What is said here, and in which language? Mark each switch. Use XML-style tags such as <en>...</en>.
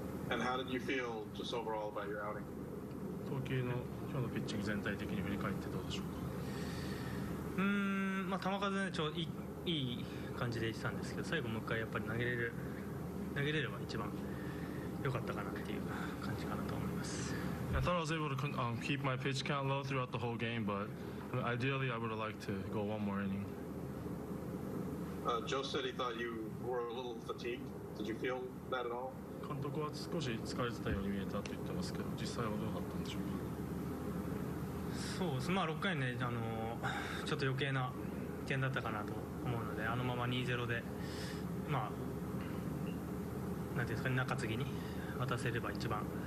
<en>And how did you feel just overall about your outing?</en> <ja>投球の今日のピッチング全体的に振り返ってどうでしょうか。まあ球数ね、いい感じでいってたんですけど、最後もう一回やっぱり投げれれば一番良かったかなっていう感じかなと思います。</ja> <en>I thought I was able to keep my pitch count low throughout the whole game, but ideally I would have liked to go one more inning. Joe said he thought you were a little fatigued. Did you feel that at all?</en> <ja>監督は少し疲れてたように見えたと言ってますけど、実際はどうだったんでしょうか。そうです。まあ6回ね、ちょっと余計な点だったかなと思うので、あのまま 2-0 で、まあ、なんていうんですかね、中継ぎに渡せれば一番。</ja>